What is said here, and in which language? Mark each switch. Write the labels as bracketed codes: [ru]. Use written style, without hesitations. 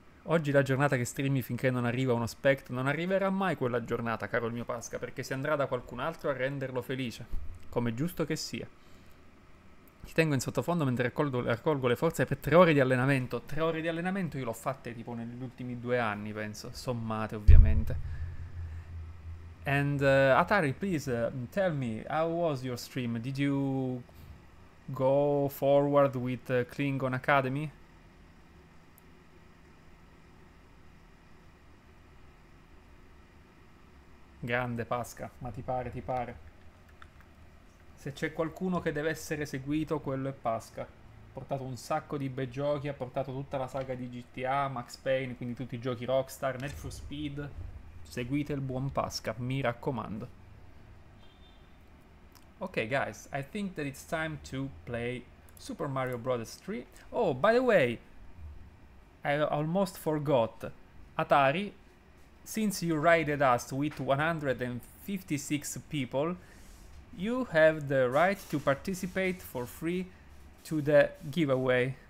[it] Oggi la giornata che streami finché non arriva uno spectro, non arriverà mai quella giornata, caro il mio Pasca, perché si andrà da qualcun altro a renderlo felice, come giusto che sia. Ti tengo in sottofondo mentre raccolgo le forze per 3 ore di allenamento. 3 ore di allenamento io l'ho fatte tipo negli ultimi 2 anni, penso. Sommate, ovviamente. [en] And Atari, please tell me, how was your stream? Did you go forward with Klingon Academy? [it] Grande Pasca, ma ti pare, ti pare? Se c'è qualcuno che deve essere seguito, quello è Pasca. Ha portato un sacco di bei giochi, ha portato tutta la saga di GTA, Max Payne, quindi tutti i giochi Rockstar, Need for Speed. Seguite il buon Pasca, mi raccomando. [en] Ok, guys, I think that it's time to play Super Mario Bros. 3. Oh, by the way, I almost forgot. Atari, Since you raided us with 156 people, you have the right to participate for free to the giveaway.